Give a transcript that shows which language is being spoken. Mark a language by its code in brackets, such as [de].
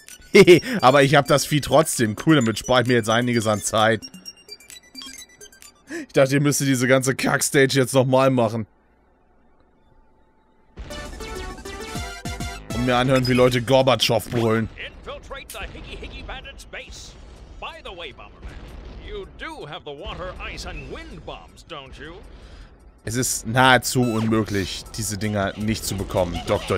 [de] Hehe, aber ich hab das Vieh trotzdem. Cool, damit spare ich mir jetzt einiges an Zeit. Ich dachte, ihr müsstet diese ganze Kackstage jetzt nochmal machen. Und mir anhören, wie Leute Gorbatschow brüllen. [en] Infiltrate the Higgy Higgy Bandits Base. By the way, Bomberman. You do have the water, ice and wind bombs, don't you? [de] Es ist nahezu unmöglich, diese Dinger nicht zu bekommen, Dr.